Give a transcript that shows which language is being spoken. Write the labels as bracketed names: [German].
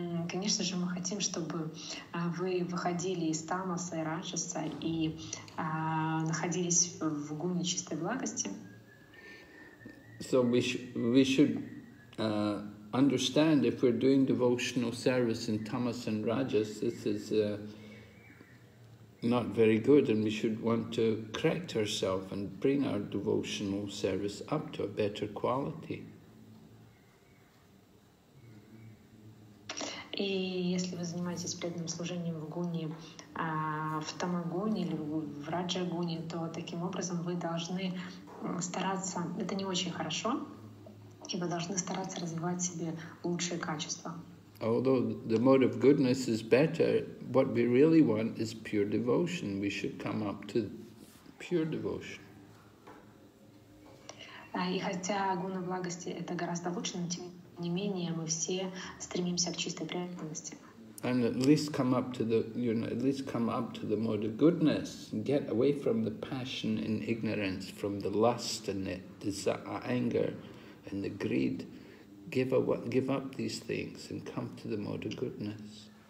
[Russian] Конечно же, мы хотим, чтобы вы выходили из тамаса и раджаса и находились в гуне чистой благости. [English] So we should understand if we're doing devotional service in tamas and rajas, this is not very good, and we should want to correct ourselves and bring our devotional service up to a better quality. [Russian] И если вы занимаетесь преданным служением в гуне, в тамагуне или в раджагуне, то таким образом вы должны стараться. Это не очень хорошо, и вы должны стараться развивать себе лучшие качества. [English] Although the mode of goodness is better, what we really want is pure devotion. We should come up to pure devotion. [Russian] И хотя гуна благости — это гораздо лучше, но тем не менее мы все стремимся к чистой преданности. [English] And at least come up to the, you know, at least come up to the mode of goodness. Get away from the passion and ignorance, from the lust and the anger and the greed. Give up these things and come to the mode of goodness.